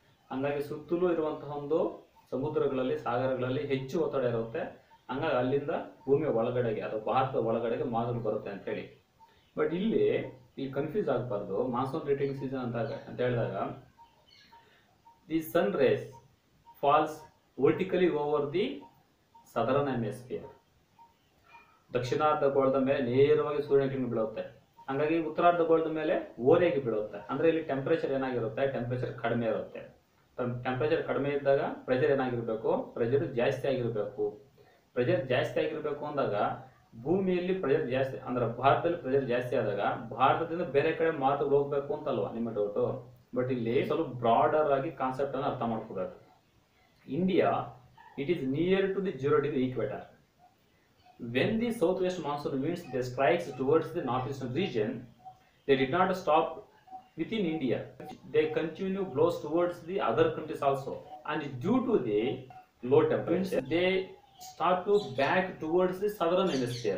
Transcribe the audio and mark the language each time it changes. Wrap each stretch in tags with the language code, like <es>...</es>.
<kn>ಹಂಗಾಗಿ ಸುತ್ತಲೂ ಇರುವಂತಹ ಒಂದು ಸಮುದ್ರಗಳಲ್ಲಿ, ಸಾಗರಗಳಲ್ಲಿ ಹೆಚ್ಚು ಒತ್ತಡ ಇರುತ್ತೆ. ಹಂಗಾಗಿ ಅಲ್ಲಿಂದ ಭೂಮಿಯ ಒಳಗಡೆಗೆ ಅಥವಾ ಭಾರತದ ಒಳಗಡೆಗೆ ಮಾನ್ಸೂನ್ ಬರುತ್ತೆ ಅಂತೇಳಿ. ಬಟ್ ಇಲ್ಲಿ ಈ ಕನ್ಫ್ಯೂಸ್ ಆಗಬಾರ್ದು, ಮಾನ್ಸೂನ್ ರೇಟಿಂಗ್ ಸೀಸನ್ ಅಂತ ಹೇಳಿದಾಗ</kn> <en>The sun rays falls vertically over the southern hemisphere.</en> <kn>ದಕ್ಷಿಣಾರ್ಧ ಗೋಳದ ಮೇಲೆ ನೇರವಾಗಿ ಸೂರ್ಯಕಿರಣ ಬೀಳುತ್ತೆ, ಹಂಗಾಗಿ ಉತ್ತರಾರ್ಧ ಗೋಳದ ಮೇಲೆ ಓರೆಯಾಗಿ ಬೀಳುತ್ತೆ. ಅಂದ್ರೆ ಇಲ್ಲಿ ಟೆಂಪರೇಚರ್ ಏನಾಗಿರುತ್ತೆ, ಟೆಂಪರೇಚರ್ ಕಡಿಮೆ ಇರುತ್ತೆ. ಟೆಂಪರೇಚರ್ ಕಡಿಮೆ ಇದ್ದಾಗ ಪ್ರೆಷರ್ ಏನಾಗಿರ್ಬೇಕು, ಪ್ರೆಷರ್ ಜಾಸ್ತಿ ಆಗಿರಬೇಕು. ಪ್ರೆಷರ್ ಜಾಸ್ತಿ ಆಗಿರಬೇಕು ಅಂದಾಗ ಭೂಮಿಯಲ್ಲಿ ಪ್ರೆಷರ್ ಜಾಸ್ತಿ, ಅಂದ್ರೆ ಭಾರತದಲ್ಲಿ ಪ್ರೆಷರ್ ಜಾಸ್ತಿ ಆದಾಗ ಭಾರತದಿಂದ ಬೇರೆ ಕಡೆ ಮಾತು ಹೋಗ್ಬೇಕು ಅಂತಲ್ವಾ ನಿಮ್ಮ ಡೌಟು. ಬಟ್ ಇಲ್ಲಿ ಸ್ವಲ್ಪ ಬ್ರಾಡರ್ ಆಗಿ ಕಾನ್ಸೆಪ್ಟ್ ಅನ್ನು ಅರ್ಥ ಮಾಡ್ಕೋಬೇಕು.</kn> <en>India it is near to the zero degree equator. When the southwest monsoon winds they strikes towards the northeastern region, they did not stop within India. They continue blows towards the other countries also. And due to the low temperature, they start to back towards the southern hemisphere.</en>